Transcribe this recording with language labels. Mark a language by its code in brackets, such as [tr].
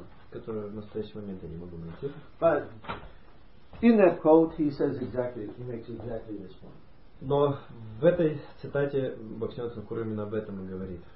[ru] Которую в настоящий момент я не могу найти. [en] But in that quote he says exactly, he makes exactly this point. [ru] Но в этой цитате Бхактивинода Тхакура именно об этом и говорит.